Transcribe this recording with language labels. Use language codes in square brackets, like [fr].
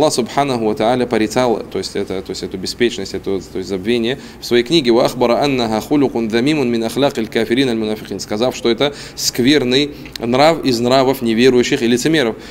[ru] Аллах سبحانه وتعالى порицал, то есть эту беспечность, то есть забвение в своей книге. [ar] وأخبر أنها خلق ذميم من أخلاق الكافرين المنافقين. [ru] Сказав, что это скверный нрав из нравов неверующих и лицемеров.